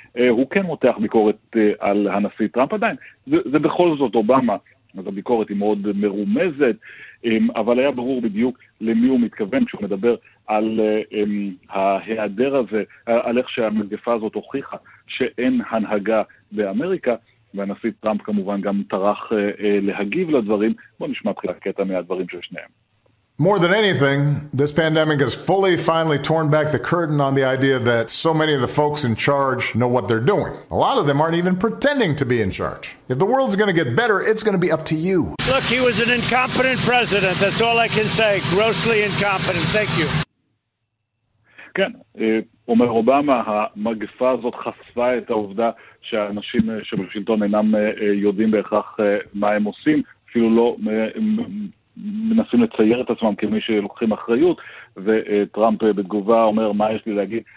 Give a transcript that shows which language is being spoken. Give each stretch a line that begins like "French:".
Hebrew: הוא כן מותח ביקורת על הנשיא טראמפ עדיין. זה בכל זאת אובמה, אז הביקורת היא מאוד מרומזת, אבל היה ברור בדיוק למי הוא מתכוון כשהוא מדבר על ההיעדר הזה, על איך שהמגפה הזאת הוכיחה שאין הנהגה באמריקה, והנשיא טראמפ כמובן גם טרח להגיב לדברים. בוא נשמע בחילה קטע מהדברים של שניהם.
English: More than anything, this pandemic has fully, finally torn back the curtain on the idea that so many of the folks in charge know what they're doing. A lot of them aren't even pretending to be in charge. If the world's going to get better, it's going to be up to you. Look, he was an incompetent president. That's all I can say. Grossly incompetent. Thank you.
Hebrew: כן, אומר אובמה, המגפה הזאת חשפה את העובדה שאנשים שבשלטון אינם יודעים בהכרח מה הם עושים, אפילו לא מנסים לצייר את עצמם כמי שלוקחים אחריות, וטראמפ בתגובה אומר, מה יש לי להגיד?